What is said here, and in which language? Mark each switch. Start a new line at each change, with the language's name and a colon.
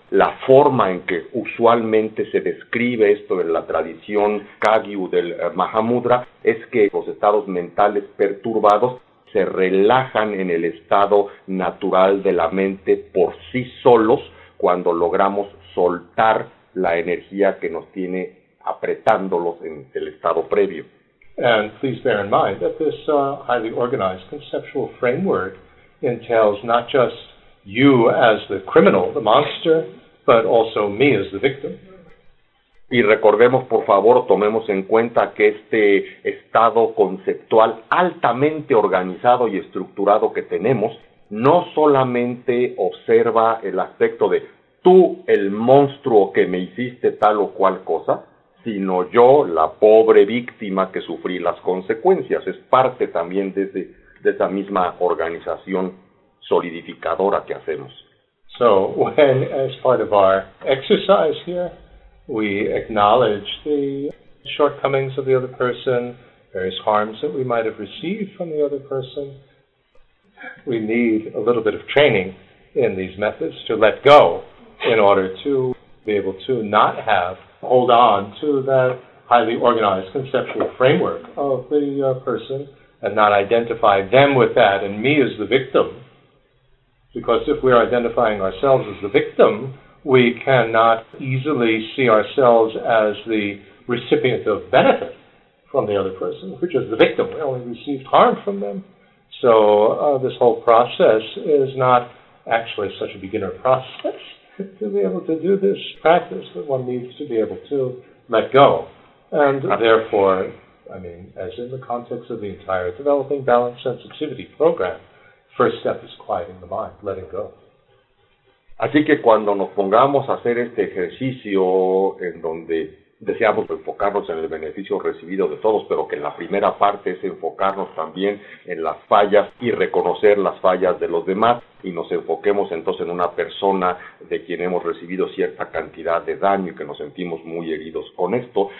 Spanish: La forma en que usualmente se describe esto en la tradición Kagyu del Mahamudra es que los estados mentales perturbados se relajan en el estado natural de la mente por sí solos cuando logramos soltar la energía que nos tiene apretándolos en el estado previo.
English: And please bear in mind that this highly organized conceptual framework entails not just you as the criminal, the monster, but also me as the victim.
Spanish: Y recordemos, por favor, tomemos en cuenta que este estado conceptual altamente organizado y estructurado que tenemos no solamente observa el aspecto de tú, el monstruo que me hiciste tal o cual cosa, sino yo, la pobre víctima que sufrí las consecuencias. Es parte también de esa misma organización solidificadora que hacemos.
English: So, when, as part of our exercise here, we acknowledge the shortcomings of the other person, various harms that we might have received from the other person, we need a little bit of training in these methods to let go in order to be able to not have hold on to that highly organized conceptual framework of the person and not identify them with that and me as the victim. Because if we are identifying ourselves as the victim, we cannot easily see ourselves as the recipient of benefit from the other person, which is the victim. We only received harm from them. So this whole process is not actually such a beginner process to be able to do this practice, that one needs to be able to let go. And therefore, I mean, as in the context of the entire developing balance sensitivity program, first step is quieting the mind, letting go.
Spanish: Así que cuando nos pongamos a hacer este ejercicio en donde deseamos enfocarnos en el beneficio recibido de todos, pero que en la primera parte es enfocarnos también en las fallas y reconocer las fallas de los demás, y nos enfoquemos entonces en una persona de quien hemos recibido cierta cantidad de daño y que nos sentimos muy heridos con esto.